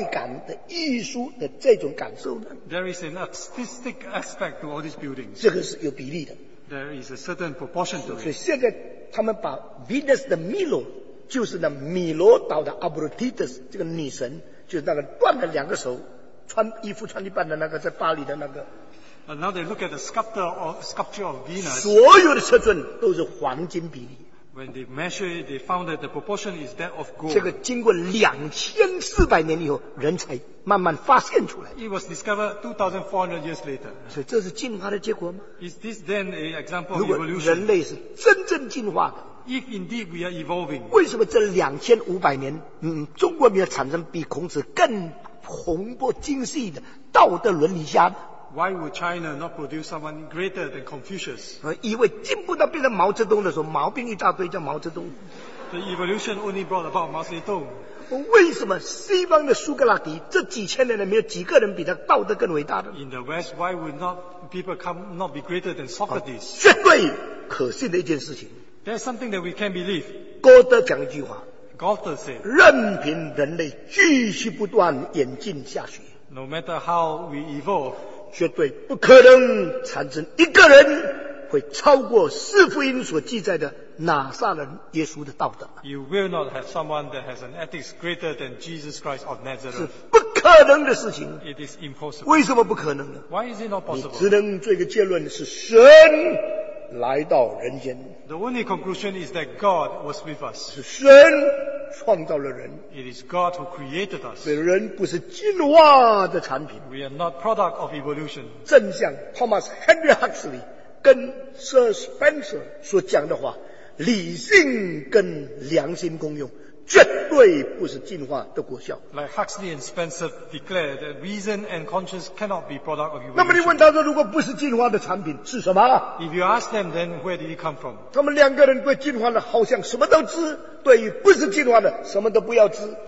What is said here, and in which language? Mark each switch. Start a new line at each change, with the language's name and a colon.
Chinese: 所以多长多高才会产生快感的艺术的这种感受呢?
English: There is an artistic aspect to all these buildings.
Chinese: 这个是有比例的。
English: There is a certain proportion to it.
Chinese: 所以现在他们把 Venus 的 Milo, 就是那米罗岛的 Abrotitis 这个女神, 就是那个断了两个手,穿衣服穿一半的那个在巴黎的那个,
English: now they look at the sculptor or sculpture of Venus.
Chinese: 所有的尺寸都是黄金比例。
English: When they measure it, they found that the proportion is that of gold.
Chinese: 这个经过2400年以后, 人才慢慢发现出来。
English: It was discovered 2400 years later.
Chinese: 所以这是进化的结果吗?
English: Is this then an example of evolution?
Chinese: 如果人类是真正进化的,
English: if indeed we are evolving,
Chinese: 为什么这2500年, 中国没有产生比孔子更宏博精细的道德伦理家呢?
English: Why would China not produce someone greater than Confucius?
Chinese: 因为进步到变成毛泽东的时候，毛病一大堆，叫毛泽东。
English: The evolution only brought about Mao Zedong.
Chinese: 为什么西方的苏格拉底这几千年里面有几个人比他道德更伟大的？
English: In the West, why would not people come not be greater than Socrates?
Chinese: 绝对可信的一件事情。
English: There's something that we can believe.
Chinese: 郭德讲一句话。
English: Goethe said,
Chinese: 任凭人类继续不断演进下去。
English: No matter how we evolve,
Chinese: 绝对不可能产生一个人会超过四福音所记载的拿撒勒耶稣的道德。
English: You will not have someone that has an ethics greater than Jesus Christ of Nazareth.
Chinese: 是不可能的事情。
English: It is impossible.
Chinese: 为什么不可能呢?
English: Why is it not possible?
Chinese: 你只能做一个结论是神来到人间。
English: The only conclusion is that God was with us.
Chinese: 是神创造了人。
English: It is God who created us.
Chinese: 人不是进化的产品。
English: We are not product of evolution.
Chinese: 正像 Thomas Henry Huxley 跟 Sir Spencer 所讲的话, 理性跟良心共用, 绝对不是进化的果效。
English: Like Huxley and Spencer declared that reason and conscience cannot be product of evolution.
Chinese: 那么你问他说, 如果不是进化的产品, 是什么?
English: If you ask them, then where did it come from?
Chinese: 他们两个人对进化的好像什么都知, 对于不是进化的, 什么都不要知。